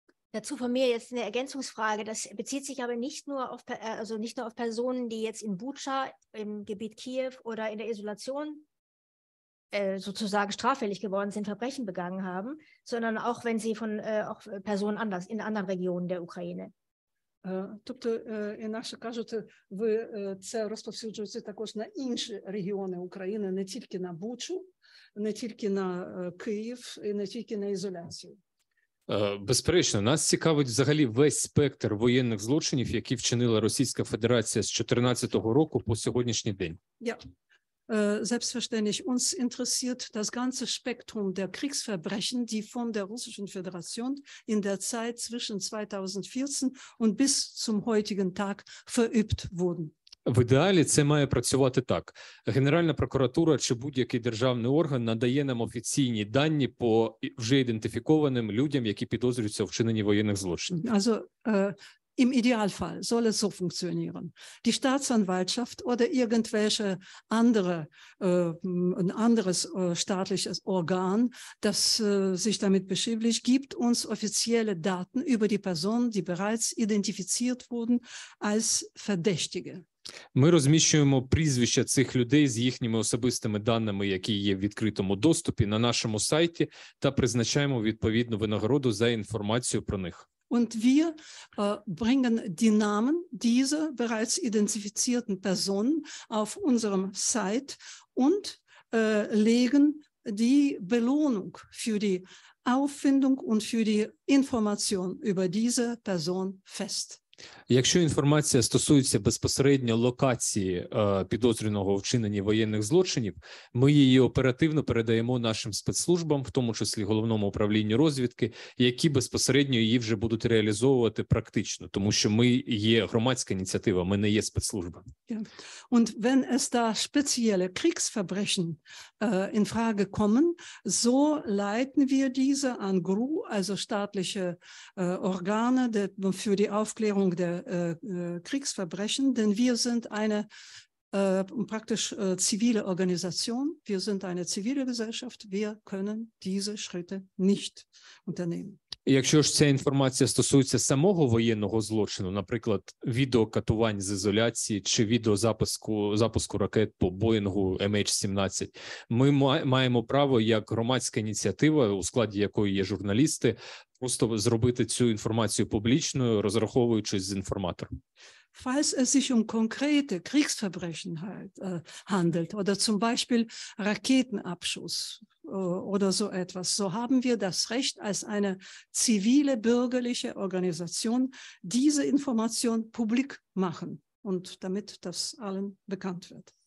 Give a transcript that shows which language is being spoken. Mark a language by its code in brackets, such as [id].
[de] Dazu von mir jetzt eine Ergänzungsfrage. Das bezieht sich aber nicht nur auf, also nicht nur auf Personen, die jetzt in Bucha, im Gebiet Kiew oder in der Isolation sozusagen straffällig geworden sind, Verbrechen begangen haben, sondern auch wenn sie von auch Personen anders, in anderen Regionen der Ukraine. [uk] Тобто, інакше кажучи, ви це розповсюджується також на інші регіони України, не тільки на Бучу, не тільки на Київ і не тільки на ізоляцію. Безперечно, нас цікавить взагалі весь спектр воєнних злочинів, які вчинила Російська Федерація з 2014 року по сьогоднішній день. [de] Ja, selbstverständlich. Uns interessiert das ganze Spektrum der Kriegsverbrechen, die von der Russischen Föderation in der Zeit zwischen 2014 und bis zum heutigen Tag verübt wurden. [uk] В ідеалі це має працювати так. Генеральна прокуратура чи будь-який державний орган надає нам офіційні дані по вже ідентифікованим людям, які підозрюються у вчиненні воєнних злочинів. [de] Also, im Idealfall soll es so funktionieren. Die Staatsanwaltschaft oder irgendwelche andere, ein anderes staatliches Organ, das sich damit beschäftigt, gibt uns offizielle Daten über die Personen, die bereits identifiziert wurden als Verdächtige. [uk] Ми розміщуємо прізвища цих людей з їхніми особистими даними, які є в відкритому доступі, на нашому сайті та призначаємо відповідну винагороду за інформацію про них. [de] Und wir bringen die Namen dieser bereits identifizierten Personen auf unserem Site und legen die Belohnung für die Auffindung und für die Information über diese Person fest. [uk] Якщо інформація стосується безпосередньо локації підозрюваного у вчиненні воєнних злочинів, ми її оперативно передаємо нашим спецслужбам, в тому числі головному управлінню розвідки, які безпосередньо її вже будуть реалізовувати практично, тому що ми є громадська ініціатива, ми не є спецслужба. [de] Und wenn es da spezielle Kriegsverbrechen in Frage kommen, so leiten wir diese an GRU, also staatliche Organe für die Aufklärung der Kriegsverbrechen, denn wir sind eine praktisch zivile Organisation, wir sind eine zivile Gesellschaft, wir können diese Schritte nicht unternehmen. [uk] Якщо ж ця інформація стосується самого воєнного злочину, наприклад, відеокатувань з ізоляції чи відеозапуску ракет по Боїнгу MH17, ми маємо право як громадська ініціатива, у складі якої є журналісти, просто зробити цю інформацію публічною, розраховуючись з інформатором. [de] Falls es sich um konkrete Kriegsverbrechen handelt oder zum Beispiel Raketenabschuss oder so etwas, so haben wir das Recht, als eine zivile bürgerliche Organisation diese Information publik machen und damit das allen bekannt wird.